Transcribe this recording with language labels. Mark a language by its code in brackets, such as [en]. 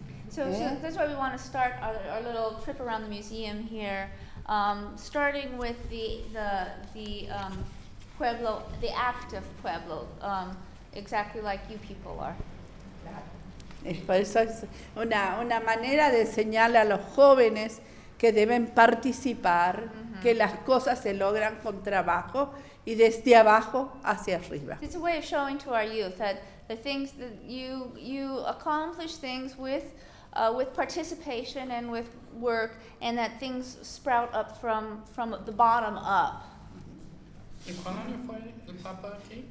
[en] So that's why we want to start our little trip around the museum here, starting with the pueblo, the active pueblo, exactly like you people are. [es] Eso es una manera de enseñarle a los jóvenes que deben participar, que las cosas se logran con trabajo y desde abajo hacia arriba. [en] It's a way of showing to our youth that the things that you accomplish things with participation and with work, and that things sprout up from the bottom up. [es] ¿Y cuándo fue el Papa aquí?